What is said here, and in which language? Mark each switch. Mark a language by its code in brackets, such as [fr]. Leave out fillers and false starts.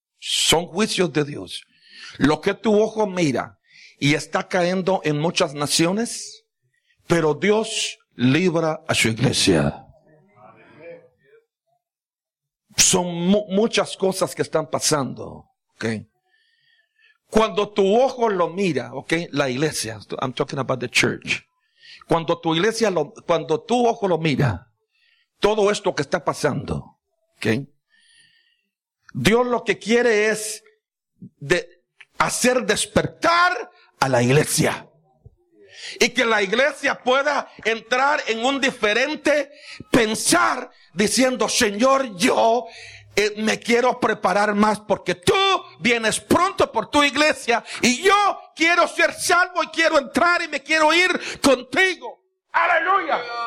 [es] Son juicios de Dios. Lo que tu ojo mira y está cayendo en muchas naciones, pero Dios libra a su iglesia. Son muchas cosas que están pasando, ¿okay? Cuando tu ojo lo mira, ¿okay? La iglesia, [en] I'm talking about the church. [es] Cuando tu iglesia lo, cuando tu ojo lo mira, todo esto que está pasando, ¿okay? Dios lo que quiere es de hacer despertar a la iglesia. Y que la iglesia pueda entrar en un diferente pensar, diciendo: Señor, yo me quiero preparar más porque tú vienes pronto por tu iglesia y yo quiero ser salvo y quiero entrar y me quiero ir contigo. Aleluya.